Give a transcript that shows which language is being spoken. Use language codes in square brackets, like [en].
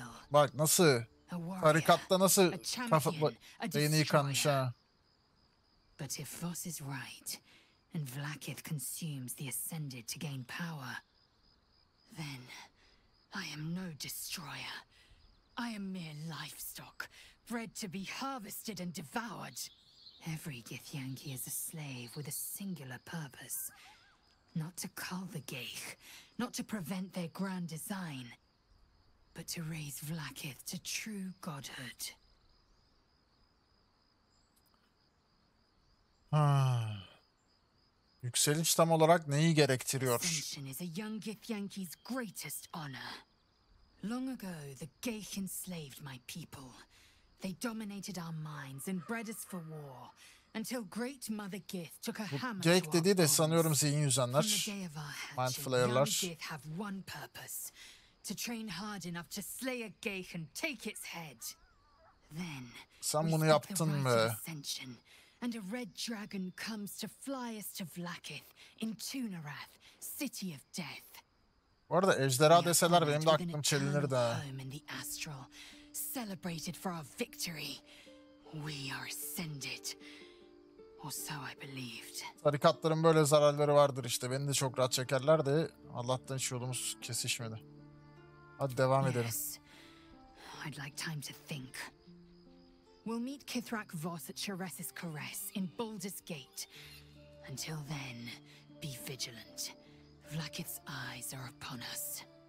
[tr] Bak nasıl? Tarikatta nasıl kafa beyni yıkanmış ha? [en] But if Vos is right, and Vlakith consumes the Ascended to gain power, then I am no destroyer. I am mere livestock, bred to be harvested and devoured. Every Githyanki is a slave with a singular purpose. Not to cull the Geich, not to prevent their grand design, but to raise Vlakith to true godhood. [tr] Yükseliş tam olarak neyi gerektiriyor? [en] Ascension is a young Githyanki's greatest honor. Long ago, the Geich enslaved my people. They dominated our minds and bred us for war. Until Great Mother Gith took a hammer. [tr] Geich dediği de sanıyorum zihin yüzenler. Mind flayerler. [en] Young Gith have one purpose: to train hard enough to slay a Geich and take its head. Then. [tr] Sen bunu yaptın mı? [en] And a red dragon comes to fly us to Vlakith in Tunarath, city of death. [tr] Bu arada ejderha deseler benim de aklım çelinirdi. [en] Home in the astral, celebrated for our victory. We are ascended. Or so I believed. [tr] Tarikatların böyle zararları vardır işte. Beni de çok rahat çekerlerdi. Allah'tan şu yolumuz kesişmedi. Hadi devam edelim. [en] Yes. I'd like time to think. We'll meet Kithrak Vos at Charess's Caress in Baldur's Gate. Until then, be vigilant. Vlakith's eyes are upon us.